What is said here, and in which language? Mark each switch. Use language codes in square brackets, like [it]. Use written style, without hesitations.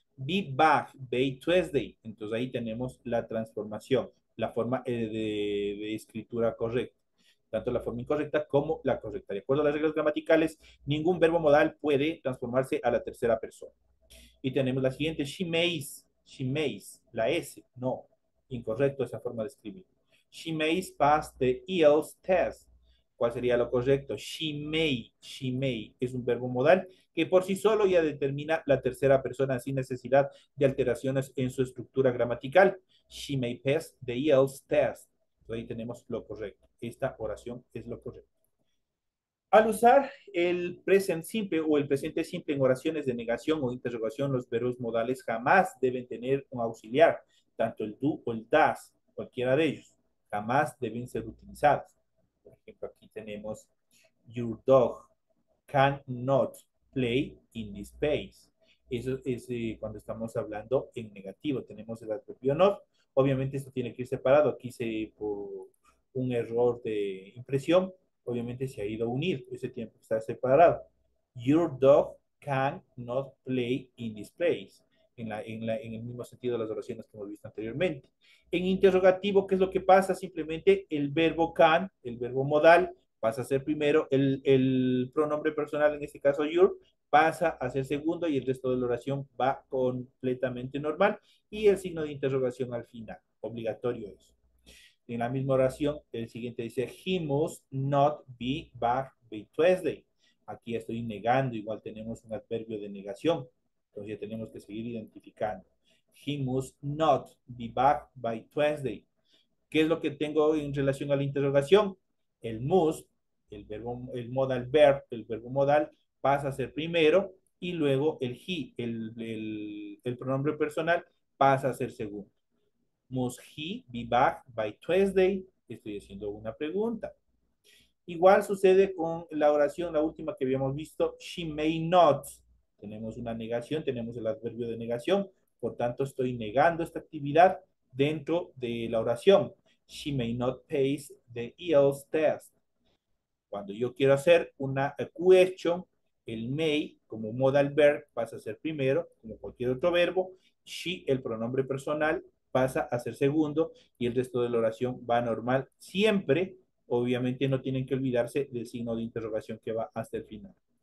[en] Be back by Tuesday. [es] Entonces ahí tenemos la transformación, la forma de escritura correcta. Tanto la forma incorrecta como la correcta. De acuerdo a las reglas gramaticales, ningún verbo modal puede transformarse a la tercera persona. Y tenemos la siguiente, [en] she mays, [es] la S, no, incorrecto esa forma de escribir. [en] She mays pass the IELTS test. [es] ¿Cuál sería lo correcto? [en] She may, [es] es un verbo modal que por sí solo ya determina la tercera persona sin necesidad de alteraciones en su estructura gramatical. [en] She may pass the IELTS test. [es] Ahí tenemos lo correcto. Esta oración es lo correcto. Al usar el present simple o el presente simple en oraciones de negación o interrogación, los verbos modales jamás deben tener un auxiliar, tanto el do o el does, cualquiera de ellos. Jamás deben ser utilizados. Por ejemplo, aquí tenemos [en] your dog cannot play in this space. [es] Eso es cuando estamos hablando en negativo. Tenemos el adverbio not. Obviamente esto tiene que ir separado. Aquí se por un error de impresión, obviamente se ha ido a unir. Ese tiempo está separado. [en] Your dog can not play in this place. [es] En el mismo sentido de las oraciones que hemos visto anteriormente. En interrogativo, ¿qué es lo que pasa? Simplemente el verbo can, el verbo modal, pasa a ser primero. El pronombre personal, en este caso your, pasa a ser segundo y el resto de la oración va completamente normal y el signo de interrogación al final. Obligatorio eso. En la misma oración, el siguiente dice [en] he must not be back by Tuesday. [es] Aquí estoy negando, igual tenemos un adverbio de negación. Entonces ya tenemos que seguir identificando. [en] He must not be back by Tuesday. [es] ¿Qué es lo que tengo en relación a la interrogación? El must, el modal verb, el verbo modal, pasa a ser primero y luego el he, el pronombre personal pasa a ser segundo. [en] Must he be back by Tuesday? [es] Estoy haciendo una pregunta. Igual sucede con la oración, la última que habíamos visto, [en] she may not. [es] Tenemos una negación, tenemos el adverbio de negación. Por tanto, estoy negando esta actividad dentro de la oración. [en] She may not pass the IELTS test. [es] Cuando yo quiero hacer una question, el may, como modal verb, pasa a ser primero, como cualquier otro verbo. She, el pronombre personal, pasa a ser segundo y el resto de la oración va normal. Siempre, obviamente, no tienen que olvidarse del signo de interrogación que va hasta el final.